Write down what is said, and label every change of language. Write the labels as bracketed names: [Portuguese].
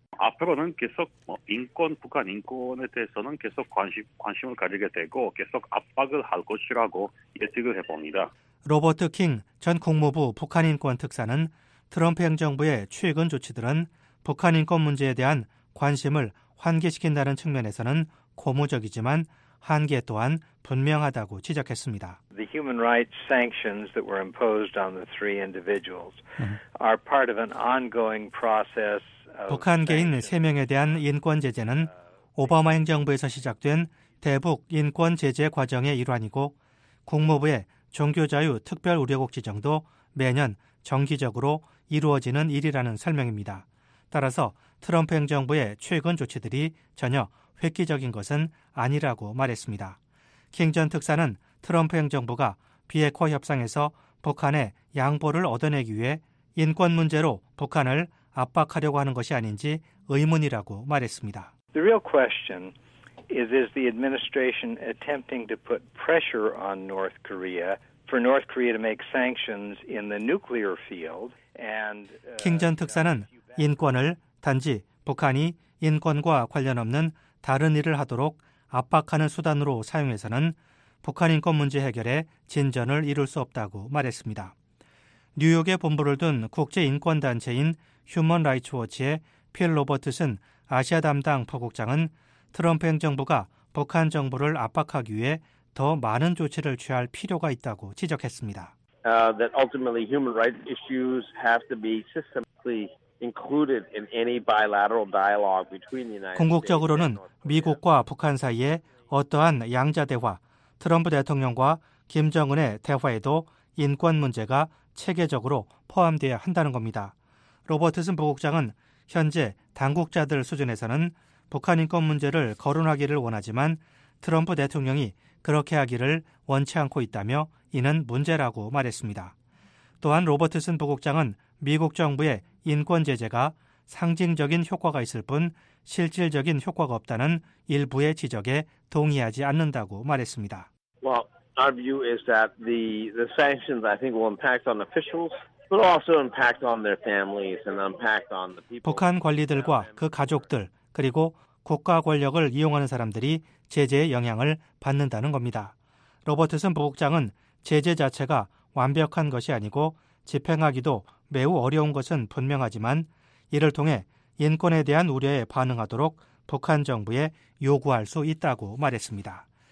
[Korean] 앞으로는 계속 인권, 북한 인권에 대해서는 계속 관심을 가지게 되고 계속 압박을 할 것이라고 예측을 해봅니다. 로버트 킹 전 국무부 북한인권특사는 트럼프 행정부의 최근 조치들은 북한 인권 문제에 대한 관심을 환기시킨다는 측면에서는 고무적이지만 한계 또한 분명하다고 지적했습니다. [English] The human rights sanctions that were imposed on the three individuals are part of an ongoing process. [Korean] 북한 개인 3명에 대한 인권 제재는 오바마 행정부에서 시작된 대북 인권 제재 과정의 일환이고 국무부의 종교자유 특별 우려국 지정도 매년 정기적으로 이루어지는 일이라는 설명입니다. 따라서 트럼프 행정부의 최근 조치들이 전혀 획기적인 것은 아니라고 말했습니다. 킹 전 특사는 트럼프 행정부가 비핵화 협상에서 북한의 양보를 얻어내기 위해 인권 문제로 북한을 압박하려고 하는 것이 아닌지 의문이라고 말했습니다. [English] The real question is the administration attempting to put pressure on North Korea for North Korea to make sanctions in the nuclear field and [Korean] 킹 전 특사는 인권을 단지 북한이 인권과 관련 없는 다른 일을 하도록 압박하는 수단으로 사용해서는 북한 인권 문제 해결에 진전을 이룰 수 없다고 말했습니다. 뉴욕에 본부를 둔 국제 인권 단체인 휴먼 라이츠 워치의 필 로버트슨 아시아 담당 부국장은 트럼프 행정부가 북한 정부를 압박하기 위해 더 많은 조치를 취할 필요가 있다고 지적했습니다. [English] That ultimately human rights issues have to be systematically included in any bilateral dialogue between the United States. [Korean] 궁극적으로는 미국과 북한 사이에 어떠한 양자 대화, 트럼프 대통령과 김정은의 대화에도 인권 문제가 체계적으로 포함되어야 한다는 겁니다. 로버트슨 부국장은 현재 당국자들 수준에서는 북한 인권 문제를 거론하기를 원하지만 트럼프 대통령이 그렇게 하기를 원치 않고 있다며 이는 문제라고 말했습니다. 또한 로버트슨 부국장은 미국 정부의 인권 제재가 상징적인 효과가 있을 뿐 실질적인 효과가 없다는 일부의 지적에 동의하지 않는다고 말했습니다. [English] Well, our view is that the sanctions I think will impact on officials. But also impact on their families and impact on the people. [Korean] 북한 관리들과 그 가족들 그리고 국가 권력을 이용하는 사람들이 제재의 영향을 받는다는 겁니다. 로버트슨 부국장은 제재 자체가 완벽한 것이 아니고 집행하기도 매우 어려운 것은 분명하지만 이를 통해 인권에 대한 우려에 반응하도록 북한 정부에 요구할 수 있다고 말했습니다.